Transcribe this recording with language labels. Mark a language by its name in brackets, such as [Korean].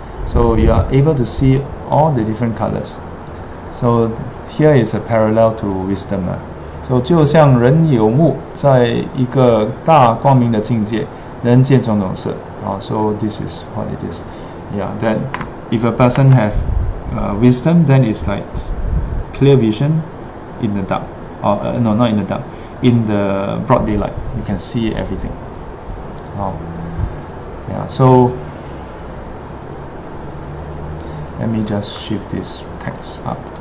[English] So you are able to see all the different colors. So here is a parallel to wisdom. [Chinese] So, 就像人有目，在一个大光明的境界，能见种种色。 [English] So, this is what it is. That if a person have wisdom, then it's like clear vision in the dark. Not in the dark. In the broad daylight, you can see everything. So, let me just shift this text up.